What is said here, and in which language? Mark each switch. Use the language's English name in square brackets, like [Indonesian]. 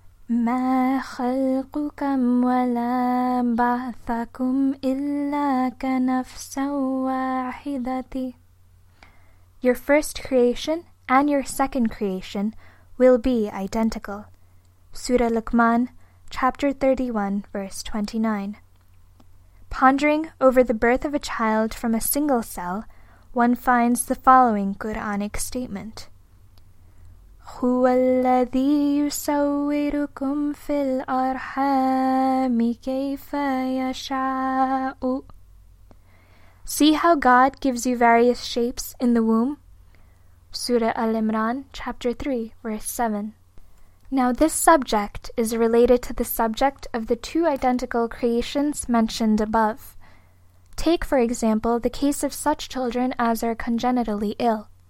[Arabic] ما خلقكم ولا بعثكم إلا كنفس واحدة. [English] Your first creation and your second creation will be identical. Surah Luqman, chapter 31, verse 29. Pondering over the birth of a child from a single cell, one finds the following Quranic statement. [Arabic] هو الذي يصوركم في الأرحام كيف يشاء. [English] See how God gives you various shapes in the womb? Surah Al-Imran, chapter 3, verse 7. Now this subject is related to the subject of the two identical creations mentioned above. Take, for example, the case of such children as are congenitally ill.